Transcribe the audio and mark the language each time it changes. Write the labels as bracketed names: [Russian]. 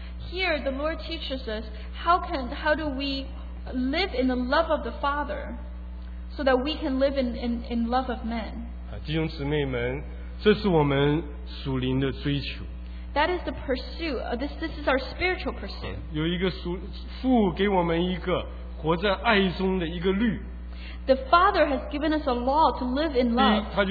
[English] Here, the Lord teaches us how do we live in the love of the Father so that we can live in love of men. [Chinese] 弟兄姊妹们，这是我们属灵的追求。 [English] That is the pursuit. This is our spiritual pursuit. [Chinese] 有一个父给我们一个活在爱中的一个律。 [English] The Father has given us a law to live in love.